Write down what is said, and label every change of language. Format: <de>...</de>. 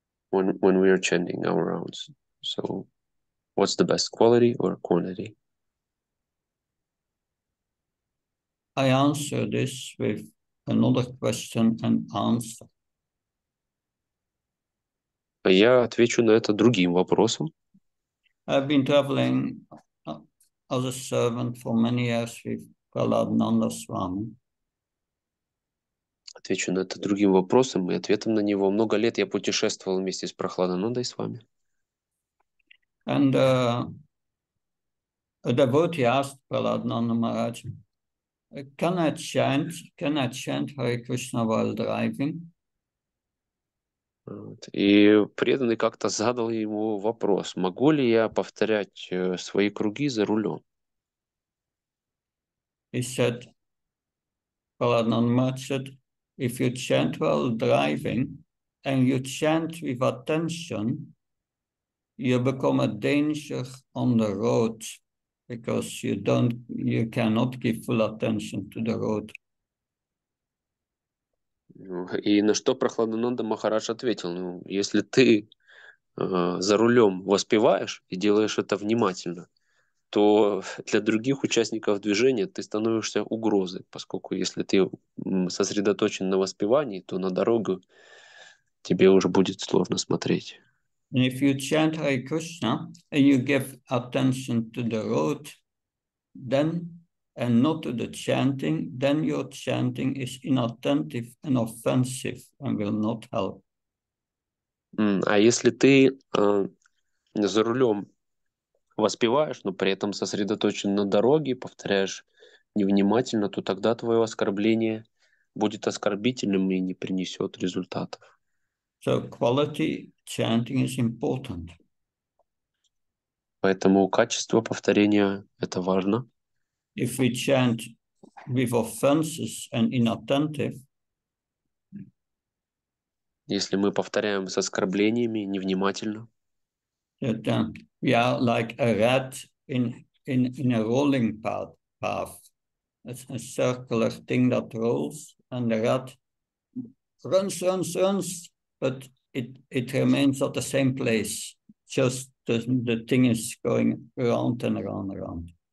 <en>when we are chanting our rounds. So what's the best, quality or quantity? I answer this with another question and answer.</en> <ru>Я отвечу на это другим вопросом.</ru> <en>I've been traveling as a servant for many years with Kalabnanda Swami.</en> <ru>Отвечу на это другим вопросом и ответом на него. Много лет я путешествовал вместе с Прахладанандой с вами.</ru> <en>And a devotee asked Prahladananda Maharaj, can I chant Hare Krishna while driving?</en> <ru>И преданный как-то задал ему вопрос, могу ли я повторять свои круги за рулем?</ru> <en>He said, Prahladananda Maharaj said, if you chant while driving and you chant with attention, you become a danger on the road because you cannot give full attention to the road.</en> <ru>И на что Прахладананда Махарадж ответил, ну, если ты за рулем воспеваешь и делаешь это внимательно, то для других участников движения ты становишься угрозой, поскольку если ты сосредоточен на воспевании, то на дорогу тебе уже будет сложно смотреть.</ru> <en>If you chant Hare Krishna and you give attention to the road, then and not to the chanting, then your chanting is inattentive and offensive and will not help.</en> <ru>А если ты за рулем воспеваешь, но при этом сосредоточен на дороге, повторяешь невнимательно, то тогда твое оскорбление будет оскорбительным и не принесет результатов.</ru> <en>So quality chanting is important.</en> <ru>Поэтому качество повторения – это важно.</ru> <en>If we chant with offenses and inattentive,</en> <ru>если мы повторяем с оскорблениями невнимательно,</ru> <en>that, we are like a rat in a rolling path. It's a circular thing that rolls, and the rat runs, but it remains at the same place. Just the thing is going round and round.</en>